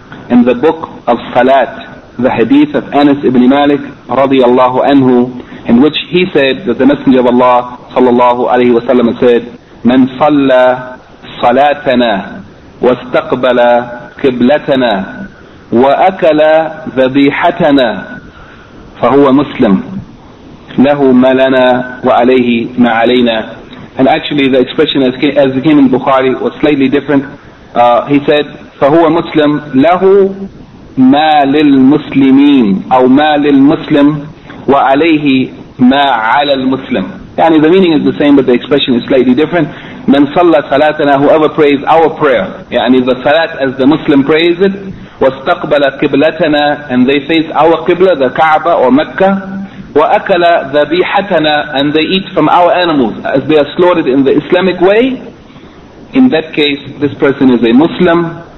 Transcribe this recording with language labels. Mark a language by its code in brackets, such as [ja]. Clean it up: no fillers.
[en] in the book of Salat, the hadith of Anas ibn Malik radiyallahu anhu, in which he said that the Messenger of Allah sallallahu alaihi wasallam said, [ar] من صلى صلاتنا واستقبل قبلتنا وأكل ذبيحتنا فهو مسلم له ما لنا وعليه ما علينا. [en] And actually the expression as came in Bukhari was slightly different. He said, [ar] فهو مسلم له ما للمسلمين أو ما للمسلم وعليه ما على المسلم. [en] يعني the meaning is the same but the expression is slightly different. [ar] من صلى صلاتنا, [en] whoever prays our prayer, يعني the salat as the Muslim prays it, [ar] واستقبل قبلتنا, [en] and they face our qibla, the Kaaba or Mecca, [ar] وَأَكَلَ ذَبِيحَتَنَا, [en] and they eat from our animals as they are slaughtered in the Islamic way, in that case this person is a Muslim.